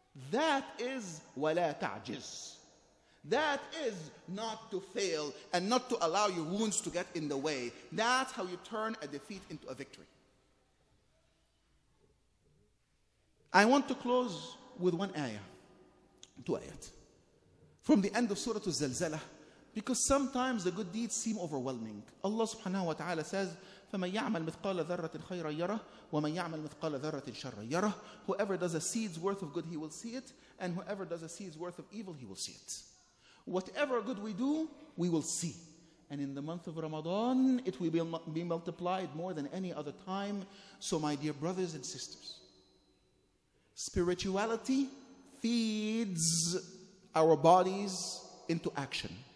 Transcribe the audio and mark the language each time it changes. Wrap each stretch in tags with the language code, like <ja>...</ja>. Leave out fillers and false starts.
<en>That is wala ta'jiz. That is not to fail and not to allow your wounds to get in the way. That's how you turn a defeat into a victory. I want to close with one ayah, two ayat, from the end of Surah Al-Zalzalah, because sometimes the good deeds seem overwhelming. Allah subhanahu wa ta'ala says,</en> <ar>فَمَنْ يَعْمَلْ مِثْقَالَ ذَرَّةٍ خَيْرًا يَرَهُ وَمَنْ يَعْمَلْ مِثْقَالَ ذَرَّةٍ شَرًّا يَرَهُ.</ar> <en>Whoever does a seed's worth of good, he will see it, and whoever does a seed's worth of evil, he will see it. Whatever good we do, we will see. And in the month of Ramadan, it will be multiplied more than any other time. So my dear brothers and sisters, spirituality feeds our bodies into action.</en>